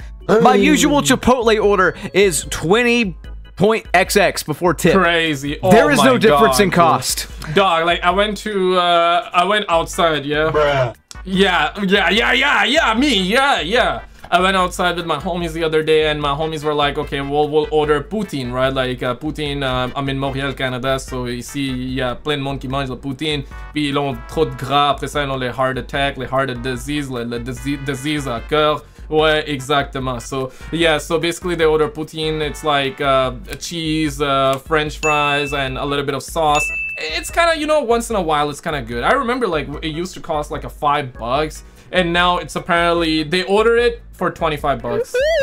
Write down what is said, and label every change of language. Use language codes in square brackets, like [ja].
[en] My usual Chipotle order is 20.xx before tip. Crazy. Oh, there is no difference, dog, in cost. Dog, like, I went to, I went outside, yeah? Bruh. Yeah. I went outside with my homies the other day, and my homies were like, okay, we'll order poutine, right? Like, poutine, I'm in Montreal, Canada, so [fr] ici, y a plein de monde qui mange la poutine, puis ils ont trop de gras, après ça, ils ont les [en] heart attacks, [fr] les [en] heart disease, [fr] les disease à cœur. Ouais, exactement. [en] So, yeah, so basically they order poutine. It's like cheese, french fries, and a little bit of sauce. It's kind of, you know, once in a while, it's kind of good. I remember, like, it used to cost, like, $5. And now it's apparently, they order it for $25.